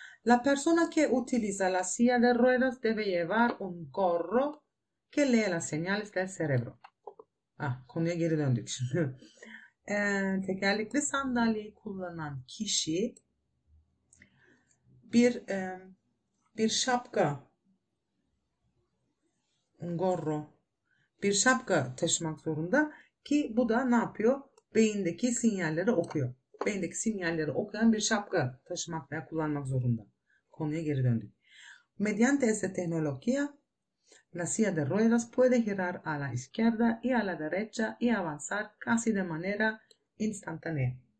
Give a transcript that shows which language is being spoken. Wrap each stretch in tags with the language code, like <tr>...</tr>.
<es>La persona que utiliza la silla de ruedas debe llevar un gorro que lee las señales del cerebro.</es> <tr>Ah, konuya geri döndük şimdi. Tekerlekli sandalyeyi kullanan kişi bir şapka,</tr> <es>un gorro,</es> <tr>bir şapka taşımak zorunda ki bu da ne yapıyor? Beyindeki sinyalleri okuyor. Beyindeki sinyalleri okuyan bir şapka taşımak veya kullanmak zorunda. Konuya geri döndük.</tr> <es>Mediante esta tecnología, la silla de ruedas puede girar a la izquierda y a la derecha y avanzar casi de manera instantánea.</es>